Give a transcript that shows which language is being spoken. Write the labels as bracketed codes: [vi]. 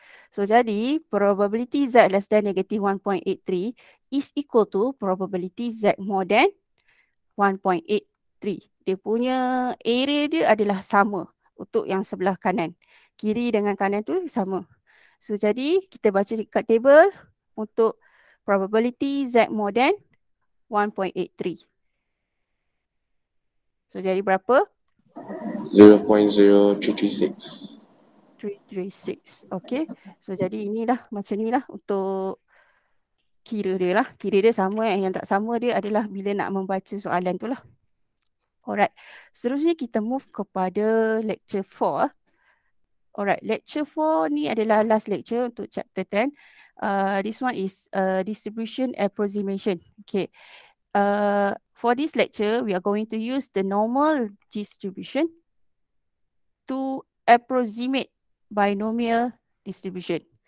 [ms] So jadi [en] probability Z less than negative 1.83 is equal to probability Z more than 1.83. 3. [ms] Dia punya area dia adalah sama untuk yang sebelah kanan. Kiri dengan kanan tu sama. So jadi kita baca dekat table untuk [en] probability Z more than 1.83. [ms] So jadi berapa? 0.0336. 336. Okay. So jadi inilah macam inilah untuk kira dia lah. Kira dia sama eh. Yang tak sama dia adalah bila nak membaca soalan tu lah. Alright. Seterusnya kita move kepada lecture 4. Alright. Lecture 4 ni adalah last lecture untuk chapter 10. [en] This one is distribution approximation. Okay. For this lecture, we are going to use the normal distribution to approximate binomial distribution.